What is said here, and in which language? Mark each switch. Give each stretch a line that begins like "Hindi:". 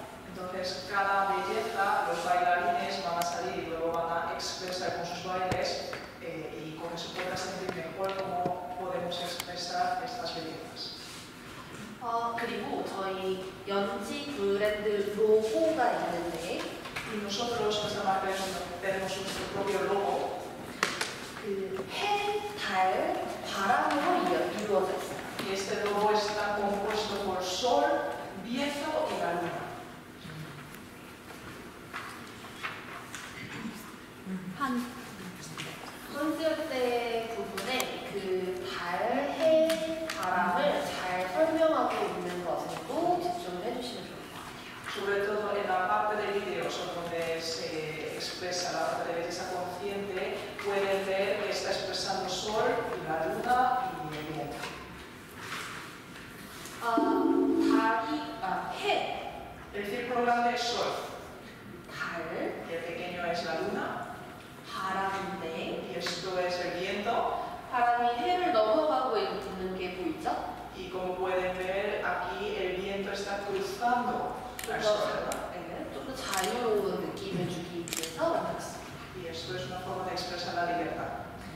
Spanish: Entonces, cada belleza, los bailarines van a salir y luego van a expresar con sus bailes y con eso pueden sentir mejor cómo podemos expresar estas bellezas.
Korean: 그리고 저희 연지 브랜드 로고가 있는데
Spanish: y nosotros esa marca tenemos nuestro propio logo
Korean: 그 해, 달, 바람으로 이루어져 있어요.
Spanish: Y este logo está compuesto por sol, viento y la luna.
Korean: 컨셉 때 부분에 그 달, 해, 바람을 잘 설명하고 있는 것에도 집중해 주시면 좋을 것 같아요.
Spanish: Sobre todo en la parte del video donde se expresa la parte de belleza consciente, pueden ver que está expresando sol, la luna y el viento.
Korean: 달이, 해.
Spanish: El círculo grande es sol.
Korean: 달.
Spanish: Y el pequeño es la luna.
Korean: 바람인데
Spanish: y esto es el viento.
Korean: 바람이 해를 넘어가고 있는 게 보이죠?
Spanish: Y como pueden ver aquí el viento está cruzando al sol, ¿verdad?
Korean: 좀 더 자유로운 느낌을 주기 위해서 만들었습니다.
Spanish: Y esto es una forma de expresar la libertad.